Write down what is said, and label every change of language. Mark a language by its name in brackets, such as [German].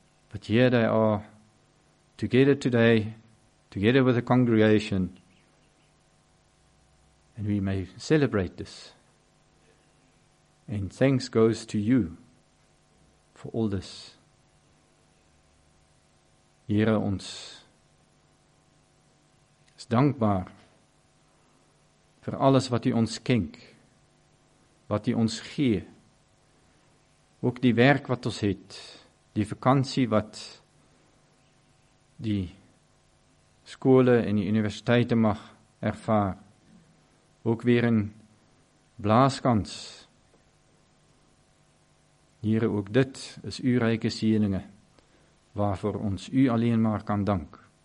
[English] But here they are, together today, together with the congregation, and we may celebrate this. And thanks goes to You for all this. [Afrikaans] Here, ons is dankbaar vir alles wat U ons skenk, wat U ons gee, ook die werk wat ons het, die vakantie wat die skole en die universiteite mag ervaar, ook weer in blaaskans. Here, ook dit is u rijke zieninge, waarvoor ons u alleen maar kan dank.